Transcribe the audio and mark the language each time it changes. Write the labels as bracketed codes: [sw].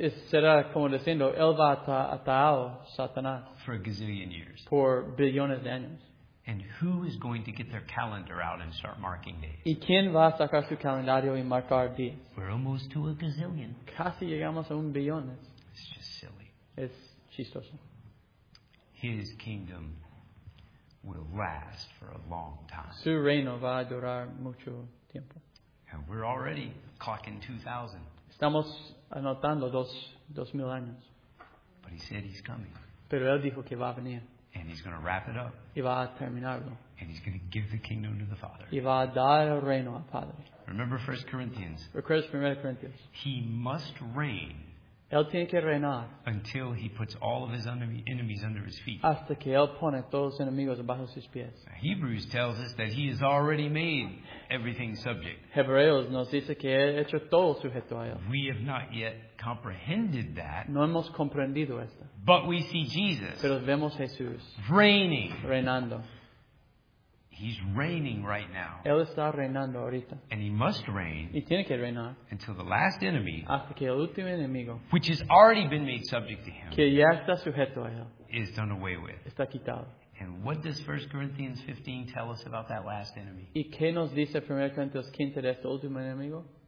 [es] Será como diciendo él va a atar a Satanás. [en] For a gazillion years. [es] Por billones de años. [en] And who is going to get their calendar out and start marking days? [es] ¿Y quién va a sacar su calendario y marcar días? [en] We're almost to a gazillion. [es] Casi llegamos a un billón. [en] It's just silly. [es] Es chistoso. [en] His kingdom will last for a long time. [es] Su reino va a durar mucho tiempo. [en] And we're already clocking 2,000. [es] Estamos anotando 2,000 años. [en] But he said he's coming. [es] Pero él dijo que va a venir. [en] And he's going to wrap it up. [es] Y va a terminarlo. [en] And he's going to give the kingdom to the Father. [es] Y va a dar el reino al Padre. [en] Remember 1 Corinthians. [es] Recuerda 1 Corinthians. [en] He must reign. [es] Él tiene que reinar. [en] Until he puts all of his enemies under his feet. [es] Hasta que él pone todos los enemigos bajo sus pies. [en] Hebrews tells us that he has already made everything subject. [es] Hebreos nos dice que ha hecho todo sujeto a él. [en] We have not yet comprehended that. [es] No hemos comprendido esto. [en] But we see Jesus. [es] Pero vemos Jesús. [en] Reigning. [es] Reinando. [en] He's reigning right now. [es] Él está reinando ahorita. [en] And he must reign. [es] Y tiene que reinar. [en] Until the last enemy. [es] Hasta que el último enemigo. [en] Which has already been made subject to him. [es] Que ya está sujeto a él. [en] Is done away with. [es] Está quitado. [en] And what does 1 Corinthians 15 tell us about that last enemy? [es] ¿Y qué nos dice 1 Corintios 15 de este último enemigo?